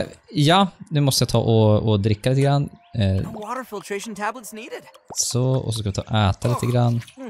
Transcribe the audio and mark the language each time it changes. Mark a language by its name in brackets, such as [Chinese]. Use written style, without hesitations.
[Swedish] Ja, nu måste jag ta och dricka lite grann. [English] Water filtration tablets needed. [Swedish] Så, och så ska jag ta och äta lite grann.